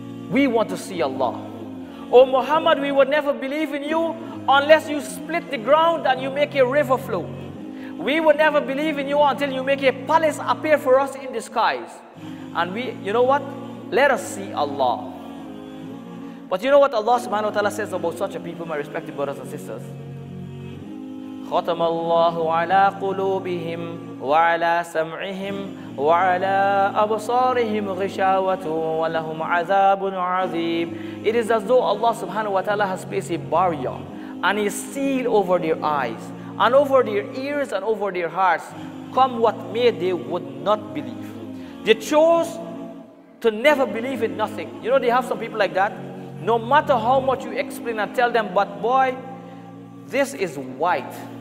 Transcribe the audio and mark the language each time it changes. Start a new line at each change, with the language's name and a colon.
English: We want to see Allah. Oh Muhammad, we would never believe in you unless you split the ground and you make a river flow. We would never believe in you until you make a palace appear for us in the skies. And we, you know what? Let us see Allah. But you know what Allah subhanahu wa ta'ala says about such a people, my respected brothers and sisters?
Arabic: ختم الله على قلوبهم وعلى سمعهم وعلى أبصارهم غشاوة ولهم عذاب عظيم.
English: It is as though Allah subhanahu wa ta'ala has placed a barrier and a seal over their eyes and over their ears and over their hearts. Come what may, they would not believe. They chose to never believe in nothing. You know, they have some people like that. No matter how much you explain and tell them, but boy, this is white.